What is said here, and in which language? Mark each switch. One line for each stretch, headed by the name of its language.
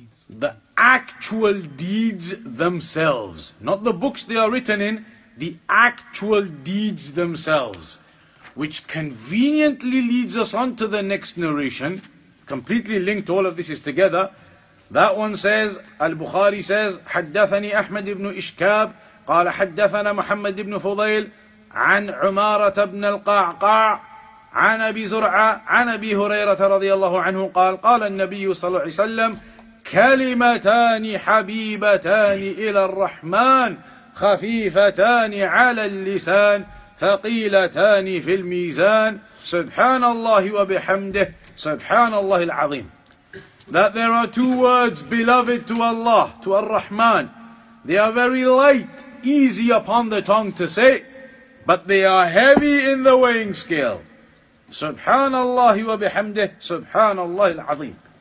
English: The actual deeds themselves. Not the books they are written in. The actual deeds themselves. Which conveniently leads us on to the next narration. Completely linked, all of this is together. That one says, Al-Bukhari says,
Arabic: حدثني أحمد بن إشكاب قال حدثنا محمد بن فضيل عن عمارة بن القعقاع عن أبي زرعة عن أبي هريرة رضي الله عنه قال قال النبي صلى الله عليه وسلم كلمتان حبيبتان إلى الرحمن خفيفتان على اللسان ثقيلتان في الميزان سبحان الله وبحمده سبحان الله العظيم.
English: That there are two words beloved to Allah, to Ar-Rahman. They are very light, easy upon the tongue to say, but they are heavy in the weighing scale. Subhanallah wa bihamdih, Subhanallah al-Azim.